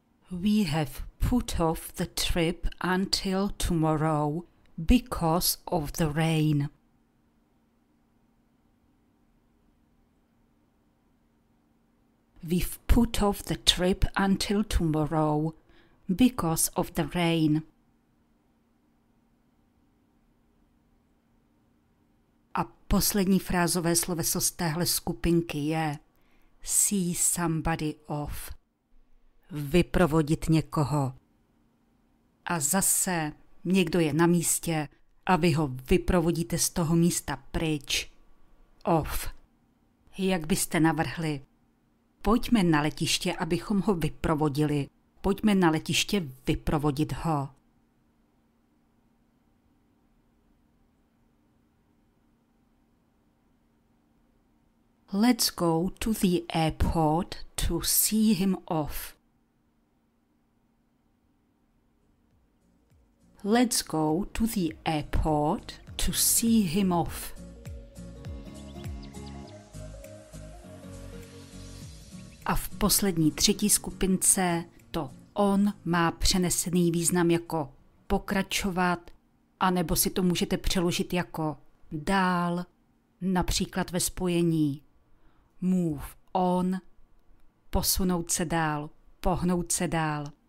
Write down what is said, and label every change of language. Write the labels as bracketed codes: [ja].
[en] We have put off the trip until tomorrow because of the rain. We've put off the trip until tomorrow because of the rain. [cs] A poslední frázové sloveso z téhle skupinky je [en] see somebody off. [cs] Vyprovodit někoho. A zase někdo je na místě a vy ho vyprovodíte z toho místa pryč. Off. Jak byste navrhli? Pojďme na letiště, abychom ho vyprovodili. Pojďme na letiště vyprovodit ho. [en] Let's go to the airport to see him off. Let's go to the airport to see him off. [cs] A v poslední třetí skupince to on má přenesený význam jako pokračovat, anebo si to můžete přeložit jako dál, například ve spojení [en] move on, [cs] posunout se dál, pohnout se dál.